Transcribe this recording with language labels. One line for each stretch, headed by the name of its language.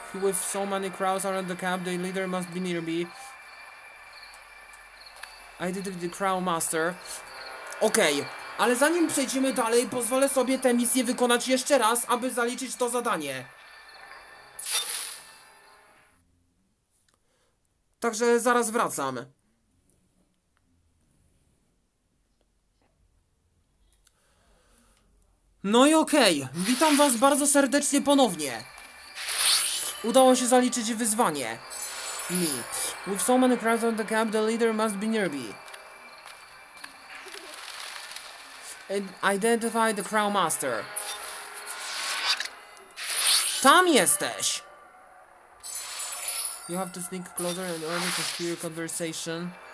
English: With so many crowds around the camp, the leader must be nearby. I did it with the Crown Master. Okej. Okay.
Polish: Ale zanim przejdziemy dalej, pozwolę sobie tę misję wykonać jeszcze raz, aby zaliczyć to zadanie. Także zaraz wracam. No i okej, witam was bardzo serdecznie ponownie. Udało się zaliczyć wyzwanie.
English: Me. With so many crowds on the cab, the leader must be nearby. Identify the crowd master.
Polish: Tam jesteś!
English: You have to sneak closer in order to hear your conversation.